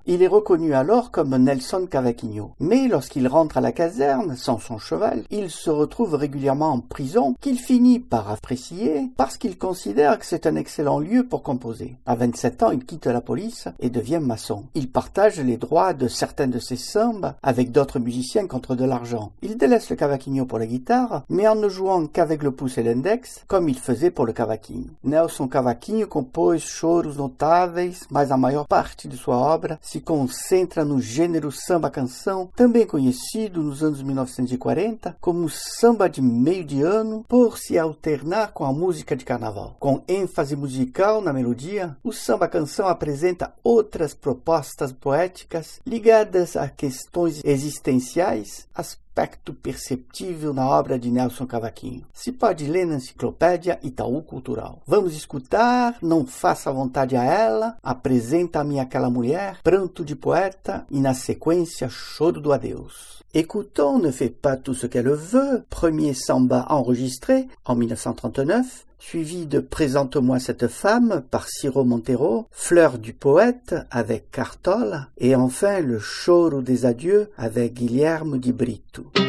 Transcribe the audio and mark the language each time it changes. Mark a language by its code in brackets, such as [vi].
[fr] Il est reconnu alors comme Nelson Cavaquinho. Mais lorsqu'il rentre à la caserne sans son cheval, il se retrouve régulièrement en prison, qu'il finit par apprécier parce qu'il considère que c'est un excellent lieu pour composer. À 27 ans, il quitte la police et devient maçon. Il partage les droits de certains de ses sambas avec d'autres musiciens contre de l'argent. Il délaisse le cavaquinho pour la guitare, mais en ne jouant qu'avec le pouce et l'index, comme il faisait pour le cavaquinho. [pt] Nelson Cavaquinho compose choros notáveis, mas a maior parte de sua obra se concentra no gênero samba-canção, também conhecido nos anos 1940 como samba de meio de ano, por se alternar com a música de carnaval. Com ênfase musical na melodia, o samba-canção apresenta outras propostas poéticas ligadas a questões existenciais, aspecto perceptível na obra de Nelson Cavaquinho. Se pode ler na enciclopédia Itaú Cultural. Vamos escutar Não Faça Vontade a Ela, Apresenta-me Aquela Mulher, Pranto de Poeta e, na sequência, Choro do Adeus. [fr] Écoutons Ne Fais Pas Tout Ce Qu'Elle Veut, premier samba enregistré en 1939, suivi de Présente-moi Cette Femme par Ciro Montero, Fleur du Poète avec Cartola et enfin Le Choro des Adieux avec Guilherme Di Brito.